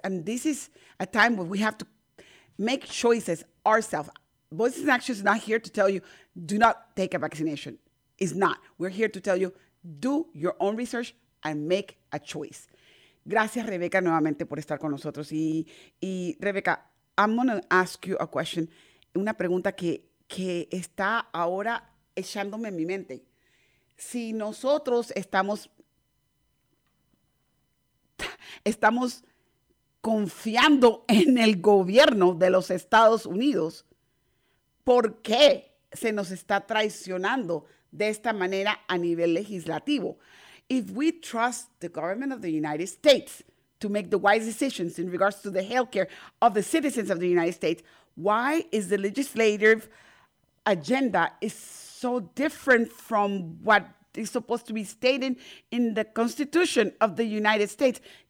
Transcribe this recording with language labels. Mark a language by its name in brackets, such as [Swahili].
[English] And this is a time where we have to make choices ourselves. Voices in Action is not here to tell you, do not take a vaccination. It's not. We're here to tell you, do your own research and make a choice. [Spanish] Gracias, Rebecca, nuevamente por estar con nosotros. Y Rebecca, [English] I'm going to ask you a question. [Spanish] Una pregunta que está ahora echándome en mi mente. Si nosotros estamos confiando en el gobierno de los Estados Unidos, ¿por qué se nos está traicionando de esta manera a nivel legislativo? [English] If we trust the government of the United States to make the wise decisions in regards to the healthcare of the citizens of the United States, why is the legislative agenda is so different from what is supposed to be stated in the Constitution of the United States?